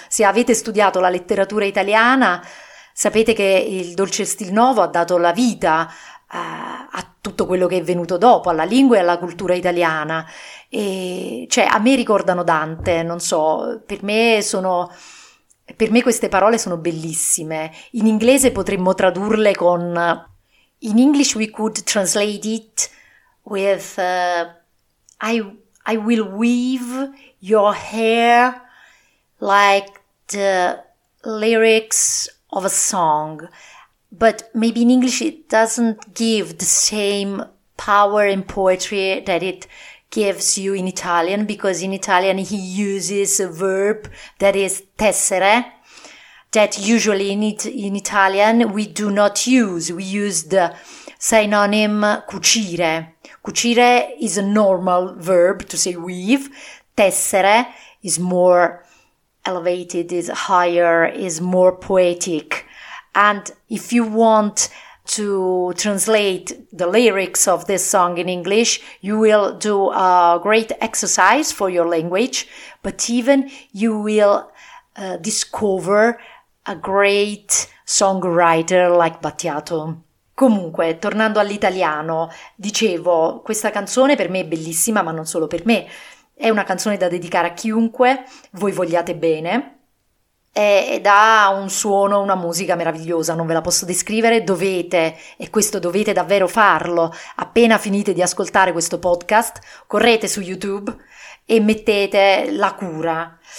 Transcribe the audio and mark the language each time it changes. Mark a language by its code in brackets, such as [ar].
[it] Se avete studiato la letteratura italiana, sapete che il dolce stil novo ha dato la vita a tutto quello che è venuto dopo, alla lingua e alla cultura italiana. E, cioè, a me ricordano Dante, non so, per me queste parole sono bellissime. In inglese potremmo tradurle con... [en] In English we could translate it with I will weave your hair like the lyrics of a song. But maybe in English it doesn't give the same power in poetry that it gives you in Italian, because in Italian he uses a verb that is tessere. that usually in Italian we do not use. We use the synonym cucire. Cucire is a normal verb to say weave. Tessere is more elevated, is higher, is more poetic. And if you want to translate the lyrics of this song in English, you will do a great exercise for your language, but even you will discover a great songwriter like Battiato. [it] Comunque, tornando all'italiano, dicevo, questa canzone per me è bellissima, ma non solo per me. È una canzone da dedicare a chiunque voi vogliate bene. Ed ha un suono, una musica meravigliosa, non ve la posso descrivere, dovete, e questo dovete davvero farlo, appena finite di ascoltare questo podcast, correte su YouTube e mettete La Cura.